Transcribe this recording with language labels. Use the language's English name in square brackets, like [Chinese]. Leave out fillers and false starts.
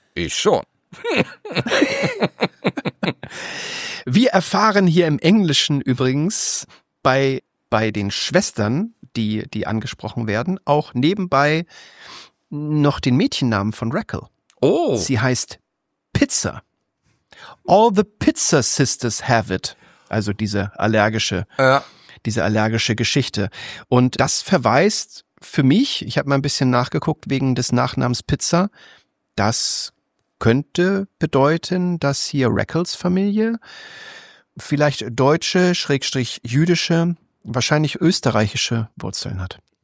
[German] Ich schon. Wir erfahren hier im Englischen übrigens bei den Schwestern, die angesprochen werden, auch nebenbei noch den Mädchennamen von Rackle. Oh. Sie heißt Pizza. [English] All the Pizza Sisters have it. [German] Also diese allergische Geschichte. Und das verweist für mich, ich habe mal ein bisschen nachgeguckt wegen des Nachnamens Pizza, das könnte bedeuten, dass hier Rackles Familie vielleicht deutsche, / jüdische, wahrscheinlich österreichische Wurzeln hat.